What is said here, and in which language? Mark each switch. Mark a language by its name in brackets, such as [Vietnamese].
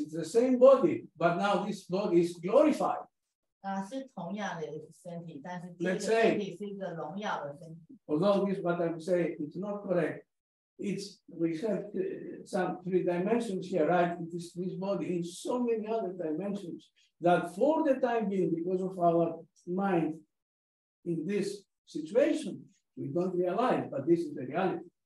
[English] it's the same body, but now this body is glorified. [Chinese] 是同样的身体，但是这个身体是一个荣耀的身体。 [English] Although this, what I'm saying, it's not correct. It's we have some three dimensions here, right? It is this body in so many other dimensions that, for the time being, because of our mind in this situation, we don't realize, but this is the reality.